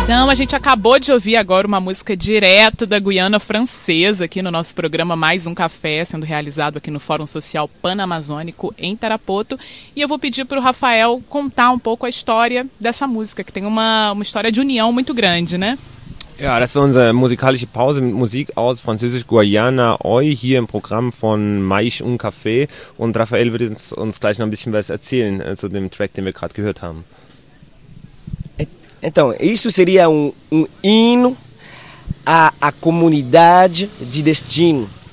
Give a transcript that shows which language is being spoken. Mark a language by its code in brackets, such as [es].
[pt] a gente acabou de ouvir agora uma música direto da Guiana Francesa aqui no nosso programa Mais um Café, sendo realizado aqui no Fórum Social Pan-Amazônico em Tarapoto. E eu vou pedir para o Rafael contar um pouco a história dessa música, que tem uma história de união muito grande, né? [de] Ja, das war unsere musikalische Pause mit Musik aus Französisch-Guayana, Oi, hier im Programm von Mais un Café. Und Raphael wird uns gleich noch ein bisschen was erzählen zu dem Track, den wir gerade gehört haben. [pt] Então, isso seria um hino à comunidade de destino.